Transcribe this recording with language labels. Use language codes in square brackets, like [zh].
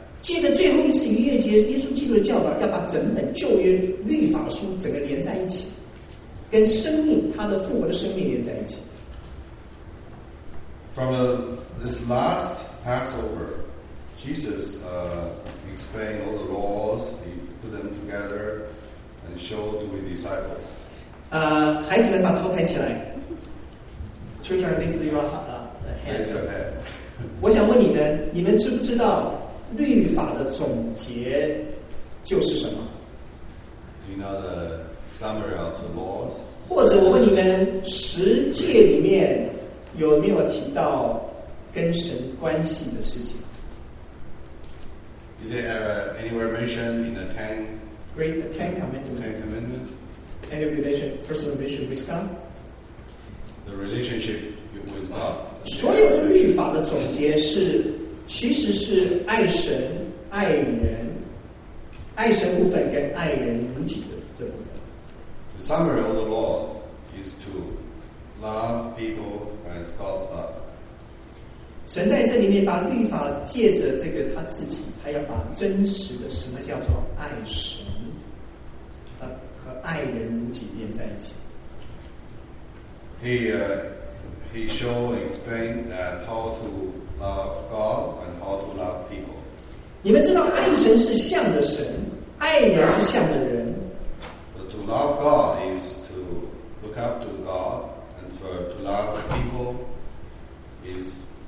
[zh] 借着最后一次逾越节，耶稣基督的教导，要把整本旧约律法书整个连在一起，跟生命他的复活的生命连在一起。 [en] From this last Passover, Jesus explained all the laws. He put them together and showed to his disciples. [zh] 孩子们把头抬起来。 [en] Children, lift your hand. Raise your head. [zh] 我想问你们，你们知不知道律法的总结就是什么？ [en] Do you know the summary of the laws? [zh] 或者我问你们，十诫里面有没有提到跟神关系的事情？ [en] Is it anywhere mentioned in the Ten Commandments? Ten Commandments? Any relation, personal relation with God? The relationship with God. [zh] 所有的律法的总结是，其实是爱神、爱人、爱神部分跟爱人如己的这部分。 [en] The summary of the laws is to love people as God's love. [zh] 神在这里面把律法借着这个他自己，他要把真实的什么叫做爱神，和爱人如己连在一起。 [en] He showed and explained that how to love God and how to love people. [zh] 你们知道爱神是向着神，爱人是向着人。 [en] But to love God is to look up to God, and for to love people is